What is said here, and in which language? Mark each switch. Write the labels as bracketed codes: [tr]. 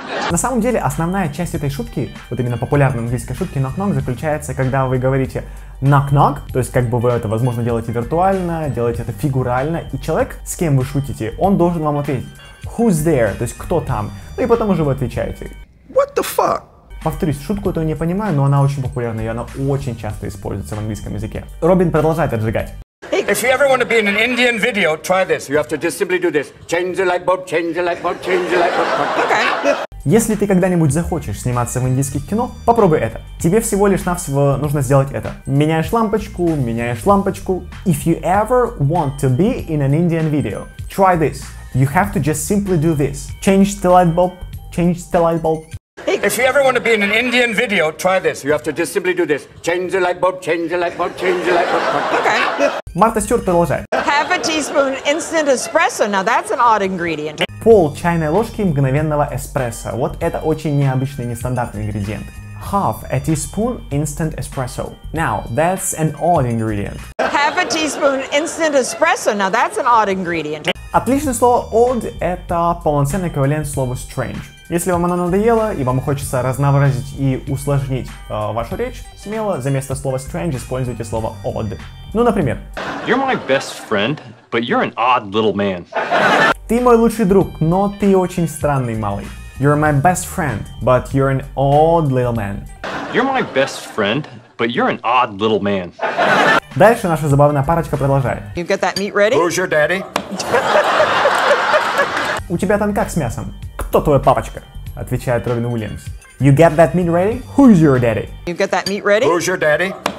[ru] На самом деле, основная часть этой шутки, вот именно популярной английской шутки knock-knock, заключается, когда вы говорите knock-knock, то есть как бы вы это, возможно, делаете виртуально, делаете это фигурально, и человек, с кем вы шутите, он должен вам ответить [en] who's there, [ru] то есть кто там, ну и потом уже вы отвечаете. [en] What the fuck? [ru] Повторюсь, шутку эту я не понимаю, но она очень популярна, и она очень часто используется в английском языке. Робин продолжает отжигать. [en] If you ever want to be in an Indian video, try this. You have to just simply do this. Change the light bulb, change the light bulb, change the light bulb. Okay. [ru] Если ты когда-нибудь захочешь сниматься в индийских кино, попробуй это. Тебе всего лишь навсего нужно сделать это. Меняешь лампочку. [en] If you ever want to be in an Indian video, try this. You have to just simply do this. Change the light bulb, change the light bulb. If you ever want to be in an Indian video, try this. You have to just simply do this. Change the light bulb, change the light bulb, change the light bulb. Okay. [ru] Марта Стюарт продолжает. [en] Half a teaspoon instant espresso. Now that's an odd ingredient. [ru] Пол чайной ложки мгновенного эспрессо. Вот это очень необычный, нестандартный ингредиент. [en] Half a teaspoon instant espresso. Now that's an odd ingredient. Half a teaspoon instant espresso. Now that's an odd ingredient. [ru] Отличное слово odd — это полноценный эквивалент слова strange. Если вам оно надоело и вам хочется разнообразить и усложнить вашу речь, смело за место слова strange используйте слово odd. Ну, например. [en] You're my best friend, but you're an odd little man. [ru] Ты мой лучший друг, но ты очень странный малый. [en] You're my best friend, but you're an odd little man. You're my best friend, but you're an odd little man. [ru] Дальше наша забавная парочка продолжает. [en] You get that meat ready? Who's your daddy? [ru] У тебя там как с мясом? Кто твоя папочка? Отвечает Робин Уильямс. [en] You get that meat ready? Who's your daddy? You get that meat ready? Who's your daddy?